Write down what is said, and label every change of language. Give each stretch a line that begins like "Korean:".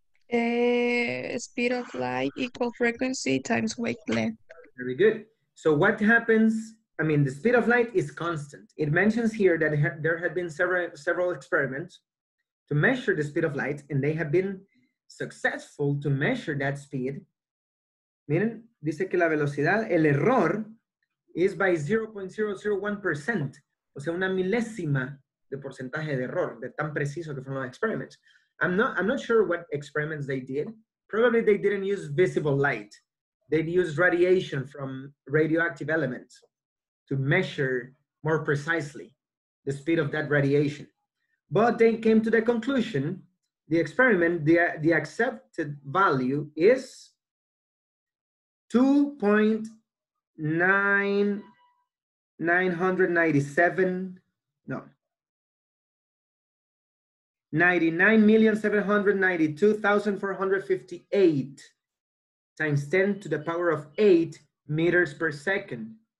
English: Speed of light equal frequency times wavelength. Very good. So what happens, I mean, the speed of light is constant. It mentions here that there have been several experiments to measure the speed of light, and they have been successful to measure that speed.
Spanish: Miren, dice que la velocidad, el error,
English: is by 0.001%,
Spanish: o sea, una milésima de porcentaje de error, de tan preciso que fueron los experiments.
English: I'm not sure what experiments they did. Probably they didn't use visible light. They'd use radiation from radioactive elements to measure more precisely the speed of that radiation. But they came to the conclusion, the experiment, the accepted value is 99,792,458 times 10 to the power of 8 meters per second.